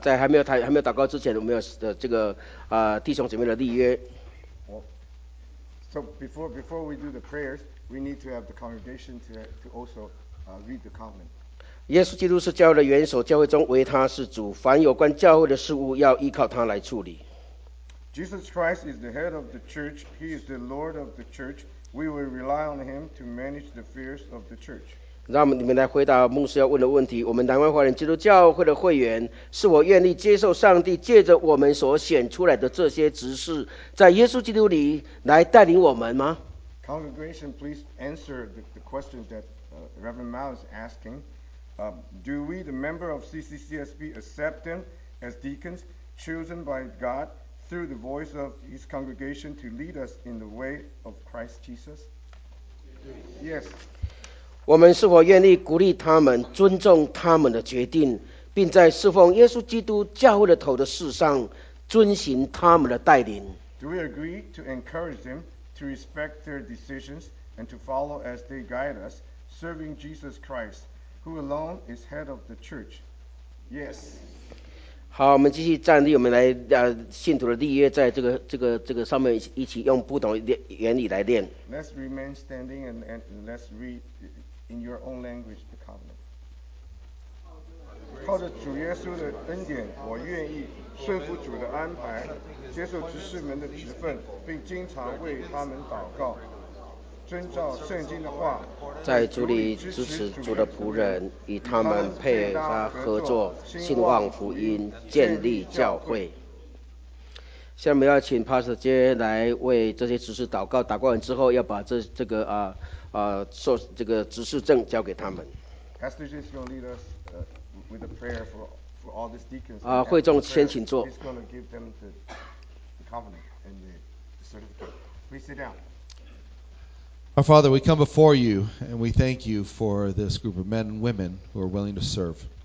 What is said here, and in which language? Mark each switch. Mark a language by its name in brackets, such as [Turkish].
[Chinese] 在还没有祷告之前，我们要这个弟兄姐妹的立约。 [English] So before we do the prayers, we need to have the congregation to also read the covenant. [Chinese] 耶稣基督是教会的元首，教会中唯他是主，凡有关教会的事物要依靠他来处理。 [English] Jesus Christ is the head of the church. He is the Lord of the church. We will rely on him to manage the affairs of the church. [Chinese] 让你们来回答牧师要问的问题。我们南湾华人基督教会的会员是否愿意接受上帝借着我们所选出来的这些执事，在耶稣基督里来带领我们吗？ [English] Congregation, please answer the question that Reverend Mao is asking. Do we, the member of CCCSB, accept them as deacons chosen by God through the voice of his congregation to lead us in the way of Christ Jesus? Yes. [Chinese] 我们是否愿意鼓励他们尊重他们的决定，并在侍奉耶稣基督教会的头的事上遵循他们的带领？ [English] Do we agree to encourage them to respect their decisions and to follow as they guide us, serving Jesus Christ, who alone is head of the church? Yes. [Chinese] 好，我们继续站立，我们来信徒的立约，在这个上面一起用不同的原理来念。 [English] Let's remain standing and let's read in your own language the covenant. [Chinese] 靠着主耶稣的恩典，我愿意顺服主的安排，接受执事们的职分，并经常为他们祷告，遵照圣经的话，在主里支持主的仆人，与他们配搭合作，兴旺福音，建立教会。下面要请 Pastor Jay 来为这些执事祷告，祷告完之后要把这个这个执事证交给他们。 [English] Pastor Jay is going to lead us with a prayer for all these deacons. [Chinese] 会众先请坐。 [English] He's going to give them the covenant and the certificate. Please sit down. Our Father, we come before you and we thank you for this group of men and women who are willing to serve.